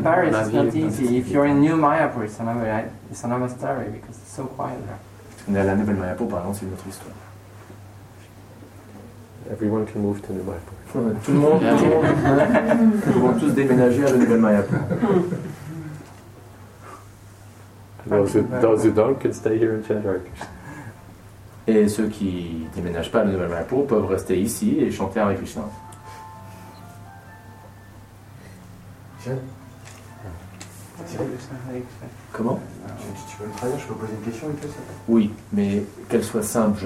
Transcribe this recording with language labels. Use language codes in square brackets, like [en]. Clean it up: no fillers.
[en] In Paris, it's not easy. If you're in New Mayapur, it's another story because it's so quiet there. [fr] On est à la Nouvelle Mayapur, par exemple, c'est une autre histoire. [en] Everyone can move to New Mayapur. [fr] Tout le monde, tout le monde. Ils vont tous déménager à la Nouvelle Mayapur. [en] Those who don't can stay here in Chandrak. [fr] Et ceux qui ne déménagent pas à la Nouvelle Mayapur peuvent rester ici et chanter avec Krishna. Comment? Tu peux me traduire, je peux poser une question et tout ça? Oui, mais qu'elle soit simple, je